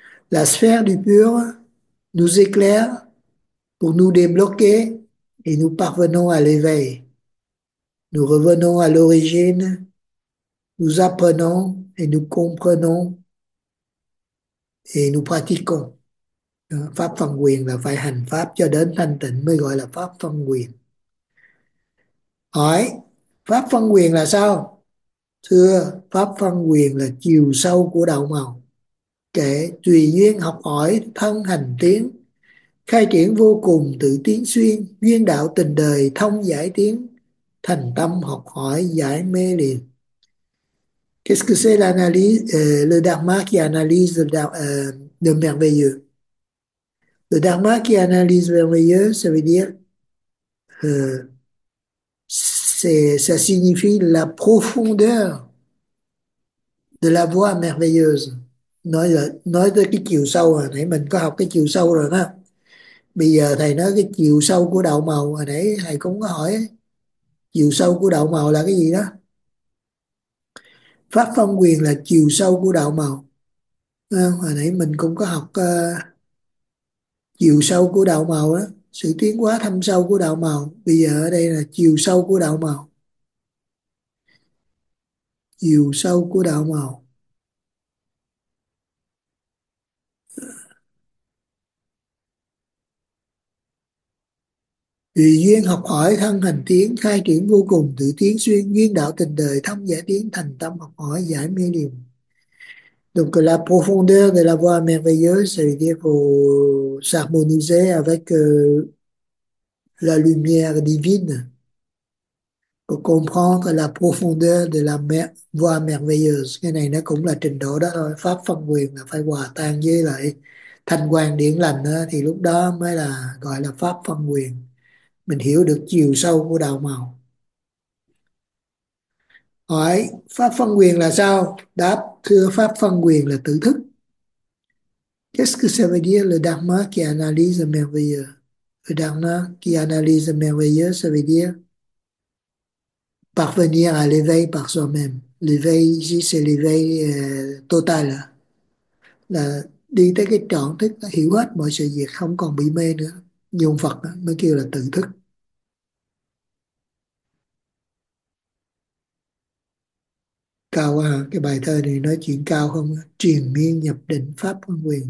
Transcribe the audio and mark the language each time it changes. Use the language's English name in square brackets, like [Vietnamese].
[French] La sphère du pur nous éclaire pour nous débloquer et nous parvenons à l'éveil. Nous revenons à l'origine, nous apprenons et nous comprenons et nous pratiquons. [Vietnamese] Pháp phân quyền là phải hành pháp cho đến thanh tịnh mới gọi là pháp phân quyền. Hỏi, pháp phân quyền là sao? Thưa, pháp phân quyền là chiều sâu của đạo màu. Kể, tùy duyên học hỏi, thân hành tiến, khai triển vô cùng tự tiến xuyên, duyên đạo tình đời thông giải tiến, thành tâm học hỏi giải mê liền. [French] Qu'est-ce que c'est l'analyse, le dharma qui analyse le merveilleux? Le dharma qui analyse le merveilleux, ça veut dire, ça signifie la profondeur de la voie merveilleuse. [Vietnamese] Nói tới cái chiều sâu, hồi nãy mình có học cái chiều sâu rồi đó. Bây giờ thầy nói cái chiều sâu của đạo màu, hồi nãy thầy cũng có hỏi chiều sâu của đạo màu là cái gì đó. Pháp phân quyền là chiều sâu của đạo màu. Hồi nãy mình cũng có học chiều sâu của đạo màu đó, sự tiến hóa thâm sâu của đạo màu. Bây giờ ở đây là chiều sâu của đạo màu, chiều sâu của đạo màu. Tùy duyên học hỏi thân hành tiến, khai triển vô cùng tự tiến xuyên, duyên đạo tình đời thông giải tiến, thành tâm học hỏi giải mê liền. [French] Donc la profondeur de la voie merveilleuse, c'est-à-dire pour s'harmoniser avec la lumière divine, pour comprendre la profondeur de la voie merveilleuse. [Vietnamese] Cái này nó cũng là trình độ đó thôi. Pháp phân quyền là phải hòa tan với lại thanh quang điển lành đó, thì lúc đó mới là gọi là pháp phân quyền. Mình hiểu được chiều sâu của đạo màu. Hỏi, pháp phân quyền là sao? Đáp, thưa, pháp phân quyền là tự thức. [French] Qu'est-ce que ça veut dire le dharma qui analyse le merveilleux? Le dharma qui analyse le merveilleux, ça veut dire parvenir à l'éveil par soi-même. L'éveil ici, c'est l'éveil total. [Vietnamese] Là đi tới cái trọn thức, hiểu hết mọi sự việc, không còn bị mê nữa. Dùng Phật mới kêu là tự thức. Cao à, cái bài thơ này nói chuyện cao không? Triền miên nhập định pháp phân quyền.